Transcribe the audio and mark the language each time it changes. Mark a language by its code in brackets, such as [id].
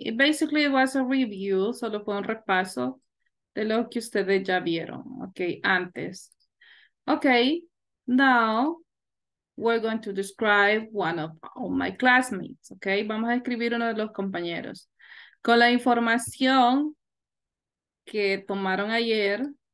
[en] It basically was a review, [es] solo fue un repaso de lo que ustedes ya vieron. [en] Okay. [es] Antes. [en] Okay. Now we're going to describe one of my classmates. Okay. [es] Vamos a escribir uno de los compañeros con la información que tomaron ayer.